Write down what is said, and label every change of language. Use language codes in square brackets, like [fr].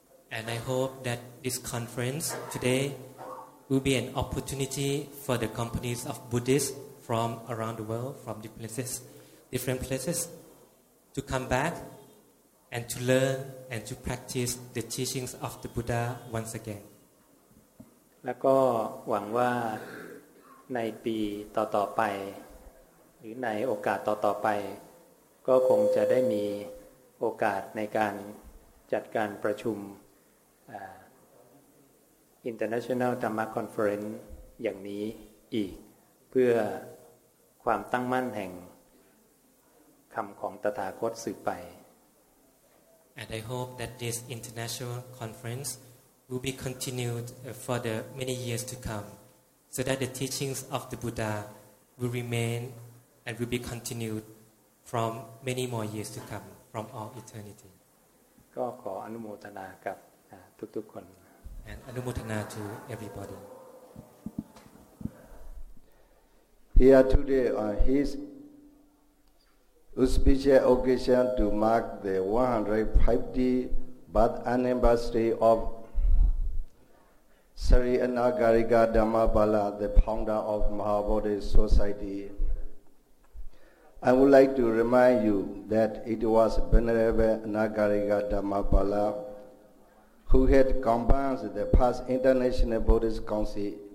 [en] And I hope that this conference today will be an opportunity for the companies of Buddhists from around the world, from different places, to come back and to learn and to practice the teachings of the Buddha once again. [th] และก็หวังว่าในปีต่อๆไปหรือในโอกาสต่อๆไปก็คงจะได้มีโอกาสในการจัดการประชุม International Dhamma Conference อย่างนี้อีกเพื่อความตั้งมั่นแห่งคำของตถาคตสืบไป [en] And I hope that this international conference will be continued for the many years to come so that the teachings of the Buddha will remain and will be continued from many more years to come from all eternity [th] ก็ขออนุโมทนากับทุกๆคน [en] And อนุโมทนา to everybody Here today on his auspicious occasion to mark the 150th birth anniversary of Sri Anakarika Dhammapala, the founder of Mahabodhi Society, I would like to remind you that it was Venerable Anakarika Dhammapala who had convened the first International Buddhist Council.